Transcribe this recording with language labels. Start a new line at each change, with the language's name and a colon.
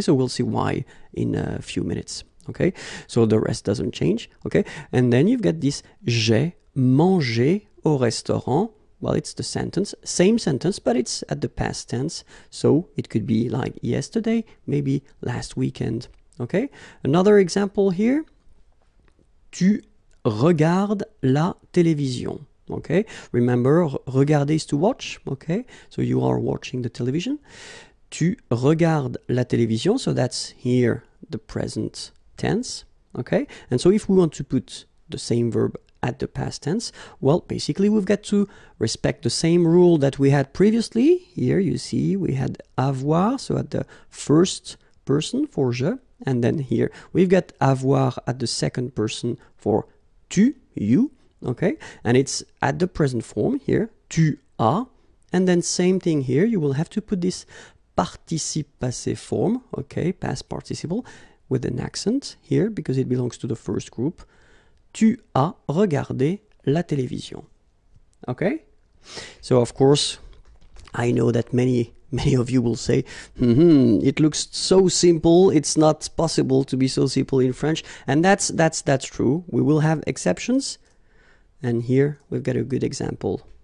English: So we'll see why in a few minutes, okay? So the rest doesn't change, okay? And then you've got this
French: j'ai mangé au restaurant.
English: Well, it's the sentence, same sentence, but it's at the past tense. So it could be like yesterday, maybe last weekend. Okay. Another example here.
French: Tu regardes la télévision.
English: Okay. Remember, regarder is to watch. Okay. So you are watching the television.
French: Tu regardes la télévision.
English: So that's here the present tense. Okay. And so if we want to put the same verb at the past tense, well, basically we've got to respect the same rule that we had previously. Here you see we had avoir, so at the first person for je, and then here we've got avoir at the second person for tu, you, okay? And it's at the present form here, tu as, and then same thing here, you will have to put this participe passé form, okay, past participle, with an accent here because it belongs to the first group.
French: Tu as regardé la télévision.
English: Okay? So of course, I know that many of you will say, it looks so simple. It's not possible to be so simple in French. And that's true. We will have exceptions. And here we've got a good example.